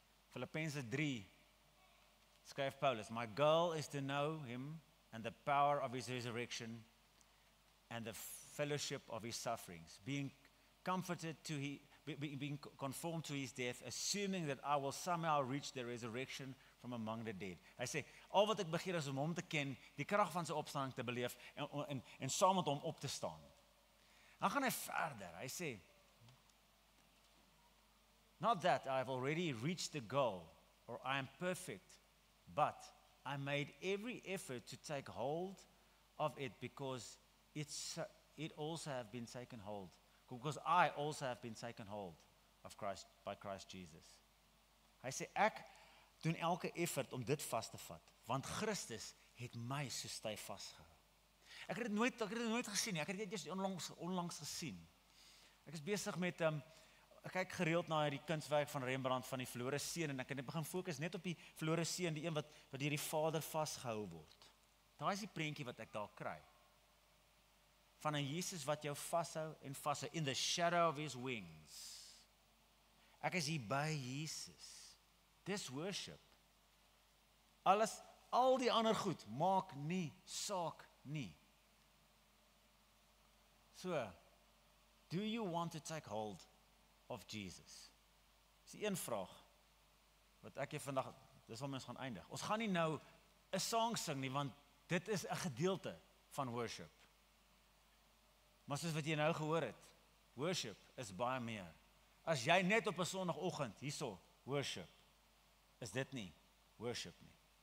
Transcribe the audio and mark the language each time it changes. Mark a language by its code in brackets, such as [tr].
[en] Filippense 3, [af] skryf Paulus, [en] my goal is to know him and the power of his resurrection and the fellowship of his sufferings, being conformed to his death, assuming that I will somehow reach the resurrection from among the dead. [af] Hy sê, al wat ek begeer is om hom te ken, die krag van sy opstanding te beleef en saam met hom op te staan. Dan gaan hy verder, hy sê, [en] not that I have already reached the goal, or I am perfect, but I made every effort to take hold of it because it also have been taken hold. Because I also have been taken hold of Christ by Christ Jesus. I say, [af] ek doen elke effort om dit vas te vat, want Christus het my so styf vasgehou. Ek het dit nooit gesien nie. Ek het dit eers onlangs gesien. Ek is besig met ek kyk gereeld na die kunstwerk van Rembrandt van die verlore seun en ek het begin fokus net op die verlore seun, die een wat deur die vader vasgehou word. Daai is die prentjie wat ek daar kry. Van 'n Jesus wat jou vashou en vashou [en] in the shadow of his wings. [af] Ek is hier by Jesus. [en] This worship. [af] Alles, al die ander goed, maak nie saak nie. [en] So, do you want to take hold of Jesus? [af] Dis die een vraag, wat ek hier vandag, dis wat ons gaan eindig. Ons gaan nie nou 'n song sing nie, want dit is 'n gedeelte van worship. Maar soos wat jy nou gehoor het, worship is baie meer. As jy net op 'n sonoggend hierso worship, is dit nie worship nie.